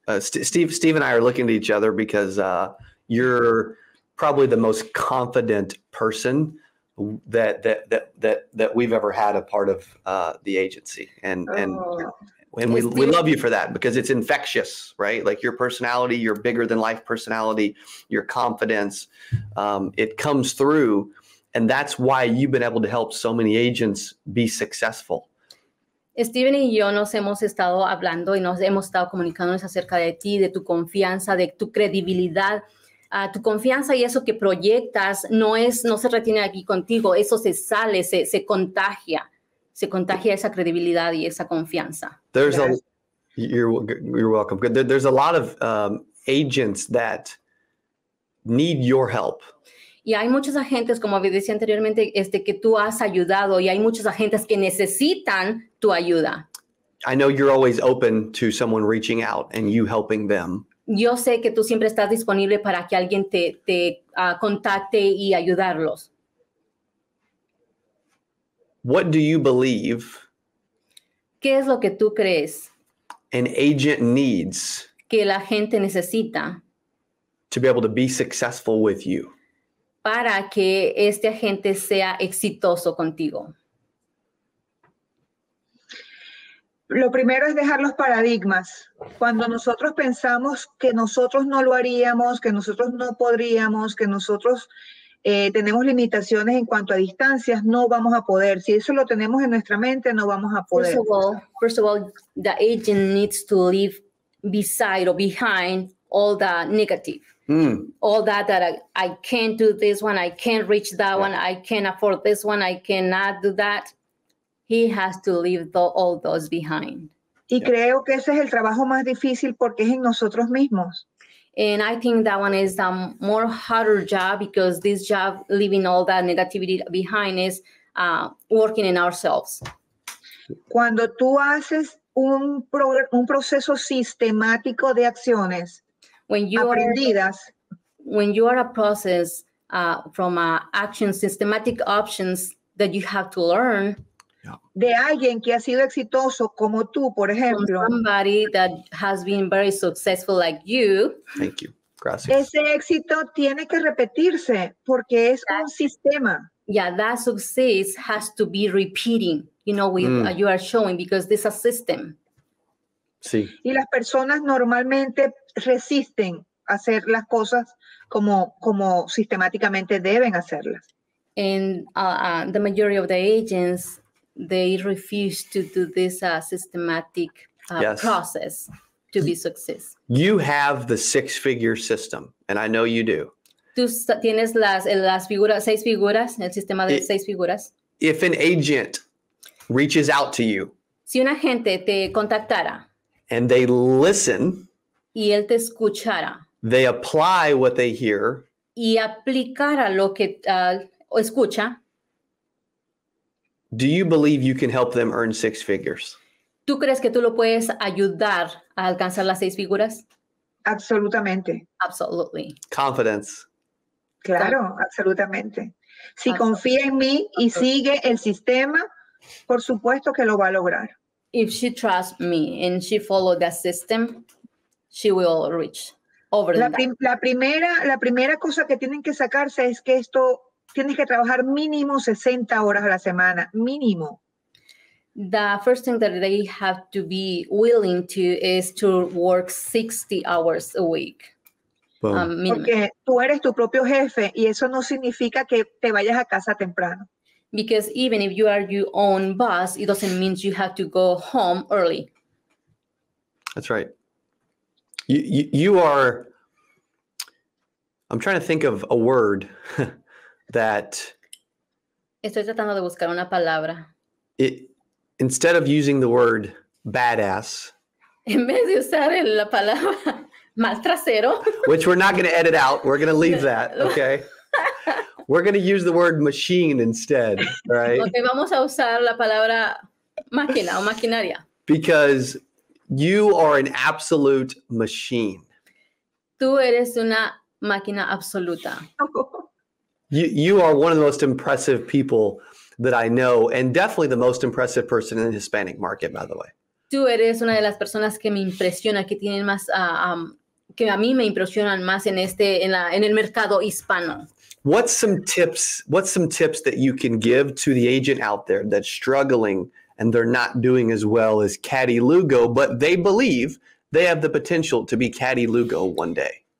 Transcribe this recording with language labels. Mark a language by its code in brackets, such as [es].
[en] Steve and I are looking at each other because you're probably the most confident person that we've ever had a part of the agency, and we love you for that because it's infectious, right? Like your personality, your bigger than life personality, your confidence, it comes through, and that's why you've been able to help so many agents be successful. [es] Steven y yo nos hemos estado hablando y nos hemos estado comunicándonos acerca de ti, de tu confianza, de tu credibilidad. tu confianza y eso que proyectas no se retiene aquí contigo, eso se sale, se contagia esa credibilidad y esa confianza. [en] You're welcome. There's a lot of agents that need your help. [es] Y hay muchos agentes, como decía anteriormente, que tú has ayudado, y hay muchos agentes que necesitan tu ayuda. [en] I know you're always open to someone reaching out and you helping them. [es] Yo sé que tú siempre estás disponible para que alguien te contacte y ayudarlos. [en] What do you believe? [es] ¿Qué es lo que tú crees? [en] An agent needs. [es] Que la gente necesita. [en] To be able to be successful with you. [es] Para que este agente sea exitoso contigo. Lo primero es dejar los paradigmas. Cuando nosotros pensamos que nosotros no lo haríamos, que nosotros no podríamos, que nosotros tenemos limitaciones en cuanto a distancias, no vamos a poder. Si eso lo tenemos en nuestra mente, no vamos a poder. [en] First of all, the agent needs to leave beside or behind all the negative. Mm. All that I can't do this one, I can't reach that one, I can't afford this one, I cannot do that. He has to leave all those behind. [es] Y creo que ese es el trabajo más difícil porque es en nosotros mismos. [en] And I think that one is the more harder job because this job, leaving all that negativity behind, is working in ourselves. [es] Cuando tú haces un proceso sistemático de acciones, aprendidas. [en] When you are a process from action, systematic options that you have to learn. [es] De alguien que ha sido exitoso como tú, por ejemplo. [en] Somebody that has been very successful like you. Thank you. [es] Gracias. Ese éxito tiene que repetirse porque es un sistema. [en] Yeah, that success has to be repeating, you are showing, because this is a system. [es] Sí. Y las personas normalmente resisten hacer las cosas como sistemáticamente deben hacerlas. [en] And the majority of the agents, they refuse to do this systematic process to be successful. You have the six-figure system, and I know you do. [es] Tú tienes las figuras, seis figuras, el sistema de seis figuras. [en] If an agent reaches out to you, [es] si un agente te contactara, [en] and they listen, [es] y él te escuchara, [en] they apply what they hear, [es] y aplicara lo que escucha. [en] Do you believe you can help them earn six figures? [es] ¿Tú crees que tú lo puedes ayudar a alcanzar las seis figuras? Absolutamente. [en] Absolutely. Confidence. [es] Claro, absolutamente. Si confía en mí y sigue el sistema, por supuesto que lo va a lograr. [en] If she trusts me and she follows that system, she will reach over that. [es] La primera cosa que tienen que sacarse es que esto... Tienes que trabajar mínimo 60 horas a la semana, mínimo. [en] The first thing that they have to be willing to is to work 60 hours a week. [es] Porque tú eres tu propio jefe y eso no significa que te vayas a casa temprano. [en] Because even if you are your own boss, it doesn't mean you have to go home early. That's right. You are, I'm trying to think of a word. That [es] estoy tratando de buscar una palabra. [en] Instead of using the word badass, [es] en vez de usar la palabra mal trasero, [en] which we're not going to edit out, we're going to leave that, okay? We're going to use the word machine instead, right? [es] Okay, vamos a usar la palabra máquina o maquinaria. [en] Because you are an absolute machine. [es] Tú eres una máquina absoluta. [en] You are one of the most impressive people that I know, and definitely the most impressive person in the Hispanic market, by the way. [es] Tú eres una de las personas que me impresiona, que tienen más, que a mí me impresionan más en en el mercado hispano. [en] What's some tips that you can give to the agent out there that's struggling and they're not doing as well as Caddy Lugo, but they believe they have the potential to be Caddy Lugo one day?